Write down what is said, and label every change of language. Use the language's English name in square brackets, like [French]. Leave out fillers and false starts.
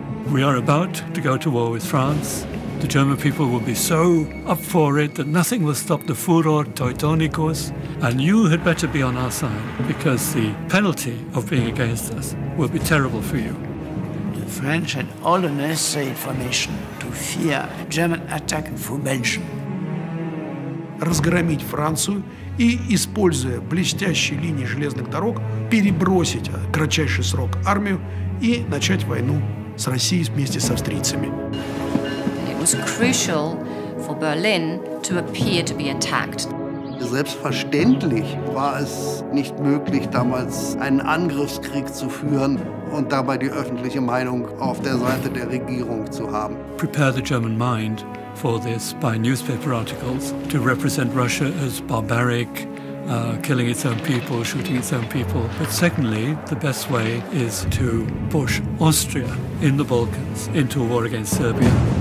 [English] We are about to go to war with France. The German people will be so up for it that nothing will stop the furor teutonicus. And you had better be on our side, because the penalty of being against us will be terrible for you. The French had all the necessary information to fear a German attack for Belgium. [Russian] Разгромить Францию и, используя блестящие линии железных дорог, перебросить кратчайший срок армию и начать войну с Россией вместе с австрийцами. [English] It was crucial for Berlin to appear to be attacked. [German] Selbstverständlich war es nicht möglich, damals einen Angriffskrieg zu führen und dabei die öffentliche Meinung auf der Seite der Regierung zu haben. [English] Prepare the German mind for this by newspaper articles to represent Russia as barbaric, killing its own people, shooting its own people. But secondly, the best way is to push Austria in the Balkans into a war against Serbia.